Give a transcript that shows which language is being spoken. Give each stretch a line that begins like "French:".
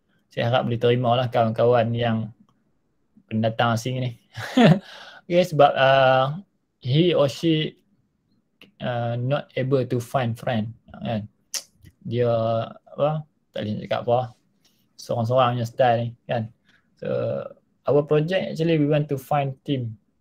Malay: Saya harap boleh terima lah kawan-kawan yang pendatang asing ni.
English: Okay,
Malay: sebab
English: he or she not able to find friend.
Malay: Kan? Dia apa, tak boleh cakap apa. Sorang-sorang punya style ni kan.
English: So our project actually we want to find team.